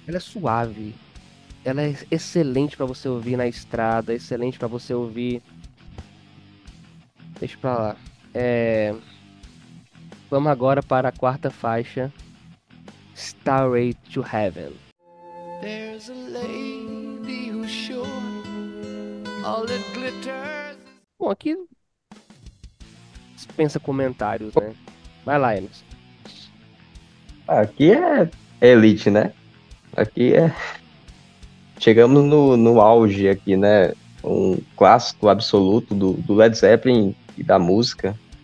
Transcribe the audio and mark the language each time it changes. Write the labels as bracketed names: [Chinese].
[Portuguese] Ela é suave. Ela é excelente para você ouvir na estrada, excelente para você ouvir. Deixa pra lá. Vamos agora para a quarta faixa, Stairway to Heaven. [English] There's a lady who's sure all it glitters. [Portuguese] Bom, aqui dispensa comentários, né? Vai lá, Enos. Aqui é elite, né? Aqui é. Chegamos no auge aqui, né? Um clássico absoluto do Led Zeppelin e da música.